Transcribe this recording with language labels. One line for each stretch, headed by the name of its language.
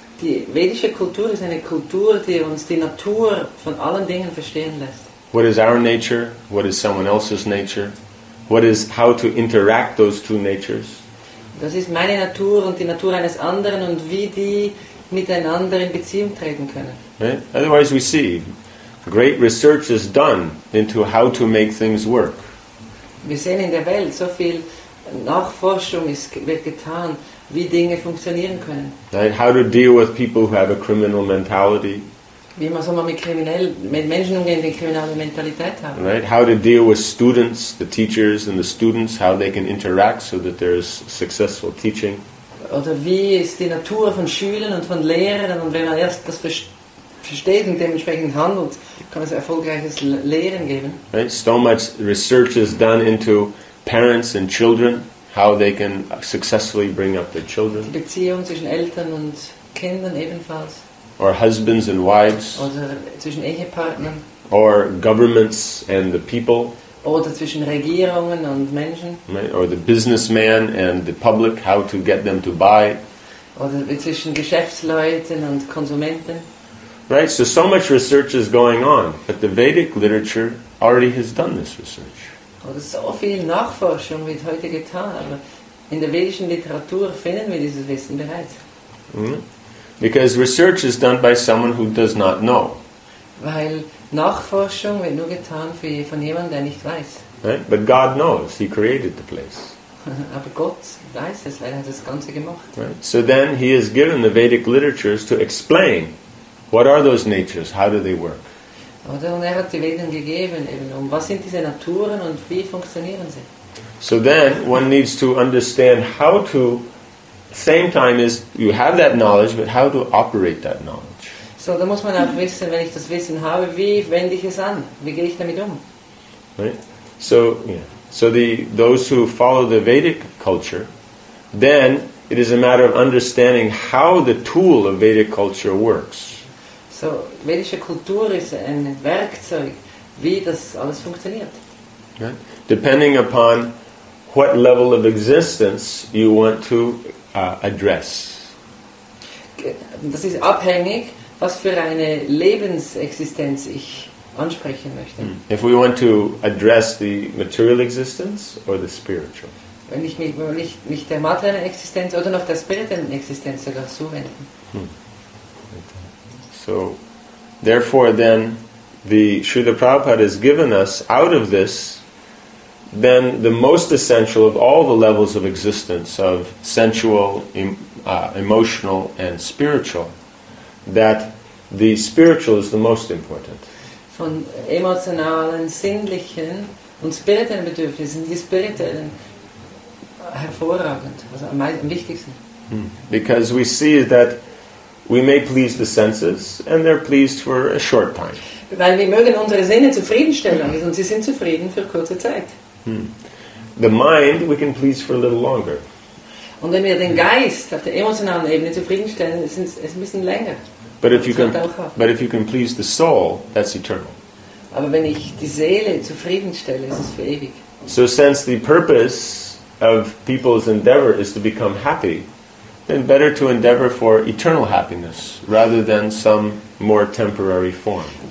German: Die vedische Kultur ist eine Kultur, die uns die Natur von allen Dingen verstehen lässt.
English: What is our nature? What is someone else's nature? What is how to interact those two natures?
German: Das ist meine Natur und die Natur eines anderen und wie die miteinander in Beziehung treten können.
English: Right? Otherwise we see great research is done into how to make things work.
German: Wir sehen in der Welt so viel Nachforschung wird getan, wie Dinge funktionieren können.
English: Right? How to deal with people who have a criminal mentality.
German: Wie man so mal mit Menschen umgehen, die kriminelle Mentalität haben.
English: Right? How to deal with students, the teachers and the students, how they can interact so that there is successful teaching.
German: Oder wie ist die Natur von Schülern und von Lehrern und wenn man erst das versteht und dementsprechend handelt, kann es erfolgreiches Lehren geben.
English: Right? So much research is done into parents and children, how they can successfully bring up their children.
German: Die Beziehung zwischen Eltern und Kindern ebenfalls.
English: Or husbands and wives.
German: Oder zwischen Ehepartnern.
English: Or governments and the people.
German: Oder zwischen Regierungen und Menschen.
English: Right? Or the businessman and the public, how to get them to buy.
German: Oder zwischen Geschäftsleuten und Konsumenten.
English: Right, so much research is going on, but the Vedic literature already has done this research.
German: Oder so viel Nachforschung wird heute getan, aber in der vedischen Literatur finden wir dieses Wissen bereits. Mm-hmm.
English: Because research is done by someone who does not know.
German: Weil Nachforschung wird nur getan von jemandem, der nicht weiß.
English: Right? But God knows, He created the place.
German: Aber Gott weiß es, weil das Ganze gemacht.
English: Right? So then He has given the Vedic literatures to explain what are those natures, how do they work.
German: Oder und er hat die Veden gegeben, eben, um was sind diese Naturen und wie funktionieren sie.
English: So then one needs to understand how to. Same time is you have that knowledge, but how to operate that knowledge.
German: So da muss man auch wissen, wenn ich das Wissen habe, wie wende ich es an? Wie gehe ich damit um?
English: Right. So yeah. So those who follow the Vedic culture, then it is a matter of understanding how the tool of Vedic culture works.
German: So vedische Kultur ist ein Werkzeug, wie das alles funktioniert.
English: Right. Depending upon what level of existence you want to address.
German: Das ist abhängig, was für eine Lebensexistenz ich ansprechen möchte. Mm.
English: If we want to address the material existence or the spiritual.
German: Wenn ich mich der materiellen Existenz oder noch der spirituellen Existenz sogar zuwenden.
English: So, therefore then, the Srila Prabhupada has given us out of this then the most essential of all the levels of existence of sensual, emotional and spiritual, that the spiritual is the most important.
German: Von emotionalen, sinnlichen und spirituellen Bedürfnissen, die spirituellen hervorragend, also am wichtigsten.
English: Because we see that we may please the senses and they're pleased for a short time.
German: Weil wir mögen unsere Sinne zufriedenstellen und sie sind zufrieden für kurze Zeit.
English: The mind we can please for a little longer.
German: Und wenn wir den Geist auf der emotionalen Ebene zufriedenstellen, ist es ein bisschen länger.
English: But if you can please the soul, that's eternal.
German: Aber wenn ich die Seele zufriedenstelle, ist es für ewig.
English: So since the purpose of people's endeavor is to become happy, then better to endeavor for eternal happiness rather than some more temporary form.